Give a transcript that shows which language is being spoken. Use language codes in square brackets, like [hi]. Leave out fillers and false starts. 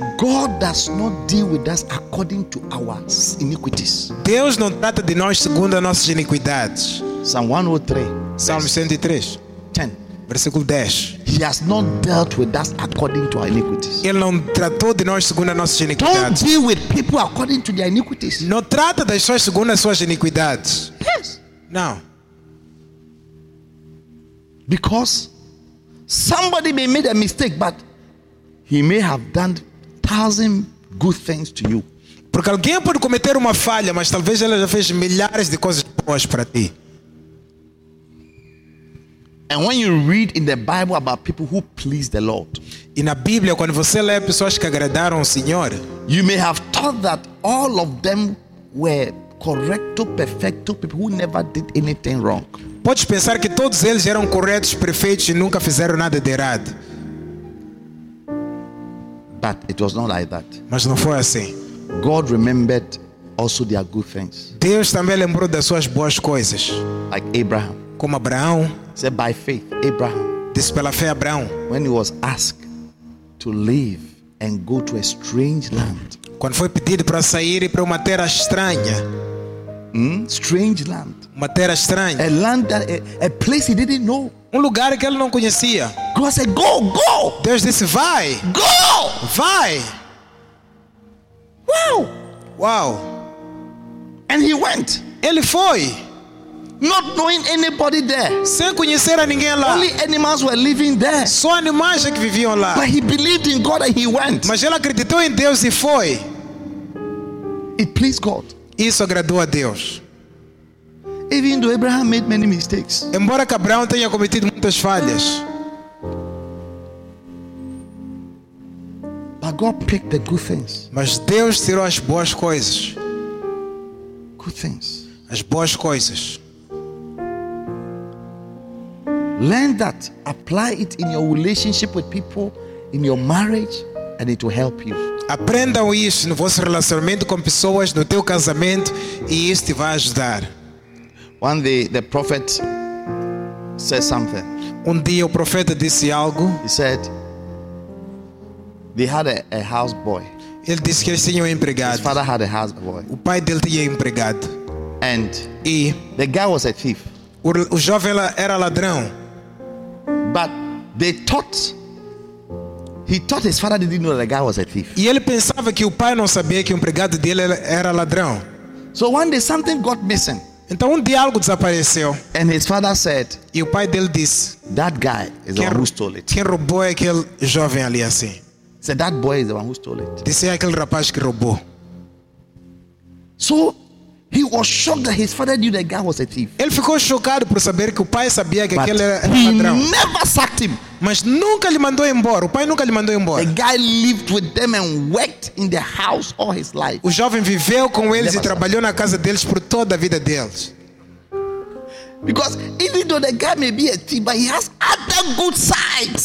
[en] God does not deal with us according to our iniquities. [pt] Deus não trata de nós segundo as nossas iniquidades. [en] Psalm 103. [pt] Salmo 103. [en] 10. [pt] versículo 10. [en] He has not dealt with us according to our iniquities. [pt] Ele não tratou de nós segundo as nossas iniquidades. [en] Don't deal with people according to their iniquities. [pt] Não trata das pessoas segundo as suas iniquidades. [en] Yes. Now, because somebody may made a mistake, but he may have done 1,000 good things to you. [pt] Porque alguém pode cometer uma falha, mas talvez ela já fez milhares de coisas boas para ti. [en] And when you read in the Bible about people who please the Lord, [pt] e na Bíblia, quando você lê pessoas que agradaram o Senhor, [en] you may have thought that all of them were [es] correcto, perfecto, [en] people who never did anything wrong. [pt] Podes pensar que todos eles eram corretos, perfeitos e nunca fizeram nada de errado. [en] But it was not like that. [pt] Mas não foi assim. [en] God remembered also their good things. [pt] Deus também lembrou das suas boas coisas. [en] Like Abraham. [pt] Como Abraão. [en] Said by faith, Abraham. [pt] Disse pela fé Abraão. [en] When he was asked to leave and go to a strange land. [pt] Quando foi pedido para sair e para uma terra estranha. [en] Strange land. [pt] Uma terra estranha. [en] A land that a place he didn't know. [pt] Lugar que ele não conhecia. [en] God said, "Go, go." [pt] Deus disse, "Vai." [en] Go. [pt] Vai. [en] Wow. Wow. And he went. [pt] Ele foi. [en] Not knowing anybody there. [pt] Sem conhecer a ninguém lá. [en] Only animals were living there. [pt] Só animais é que viviam lá. [en] But he believed in God and he went. [pt] Mas ele acreditou em Deus e foi. [en] It pleased God. [pt] Isso agradou a Deus. [en] Even though Abraham made many mistakes. [pt] Embora que Abraão tenha cometido muitas falhas. [en] But God picked the good things. [pt] Mas Deus tirou as boas coisas. [en] Good things. [pt] As boas coisas. [en] Learn that, apply it in your relationship with people, in your marriage, and it will help you. [pt] Aprenda isso no vosso relacionamento com pessoas, no teu casamento, e isso te vai ajudar. [en] One day the prophet said something. [pt] Dia o profeta disse algo. [en] He said they had a house boy. [pt] Ele disse que eles tinham empregado. [en] His father had a house boy. [pt] O pai dele tinha empregado. [en] And [pt] e [en] the guy was a thief. [pt] O jovem era ladrão. [en] But he thought his father didn't know that the guy was a thief. [pt] E ele pensava que o pai não sabia que o empregado dele era ladrão. [en] So one day something got missing. [pt] Então dia algo desapareceu. [en] And his father said, [pt] e o pai dele disse, [en] that guy is the one who stole it. [pt] Quem roubou aquele jovem ali assim? [en] Said that boy is the one who stole it. [pt] Disse aquele rapaz que roubou. [en] So he was shocked that his father knew the guy was a thief. [pt] Ele ficou chocado por saber que o pai sabia que [en] but [pt] aquele era [en] he [pt] ladrão. [en] Never sacked him. [pt] Mas nunca lhe mandou embora. O pai nunca lhe mandou embora. [en] The guy lived with them and worked in the house all his life. [pt] O jovem viveu com eles e trabalhou na casa deles por toda a vida deles. [en] Because even though the guy may be a thief, but he has other good sides.